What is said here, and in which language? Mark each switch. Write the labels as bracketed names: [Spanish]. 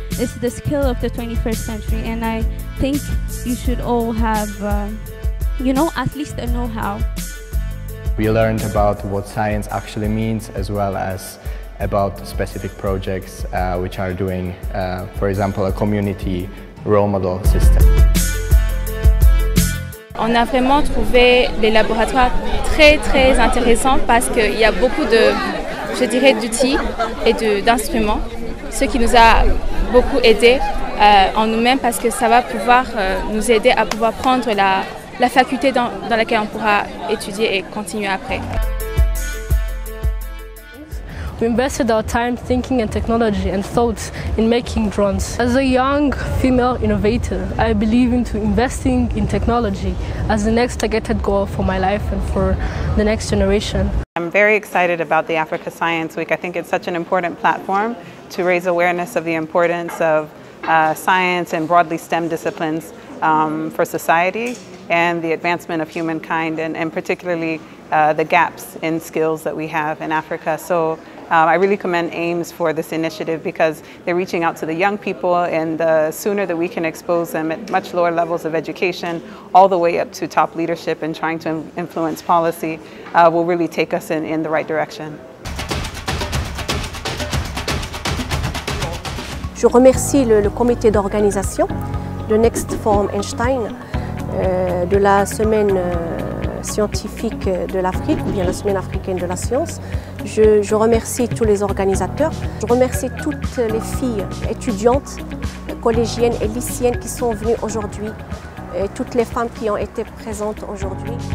[English] It's the skill of the 21st century, and I think you should all have, you know, at least a know-how. We learned about what science actually means, as well as about specific projects which are doing, for example, a community role model system. [French] On a vraiment trouvé les laboratoires très très intéressants parce qu'il y a beaucoup de, je dirais, d'outils et d'instruments, ce qui nous a beaucoup aidé en nous-mêmes parce que ça va pouvoir nous aider à pouvoir prendre la faculté dans laquelle on pourra étudier et continuer après. [English] We invested our time thinking and technology and thoughts in making drones. As a young female innovator, I believe into investing in technology as the next targeted goal for my life and for the next generation. I'm very excited about the Africa Science Week. I think it's such an important platform to raise awareness of the importance of science and broadly STEM disciplines for society and the advancement of humankind, and particularly the gaps in skills that we have in Africa. So, I really commend AIMS for this initiative because they're reaching out to the young people, and the sooner that we can expose them at much lower levels of education, all the way up to top leadership and trying to influence policy, will really take us in the right direction. [French] Je remercie le comité d'organisation de Next Forum Einstein, de la semaine scientifique de l'Afrique, ou bien la semaine africaine de la science. Je remercie tous les organisateurs. Je remercie toutes les filles étudiantes, collégiennes et lycéennes qui sont venues aujourd'hui, et toutes les femmes qui ont été présentes aujourd'hui.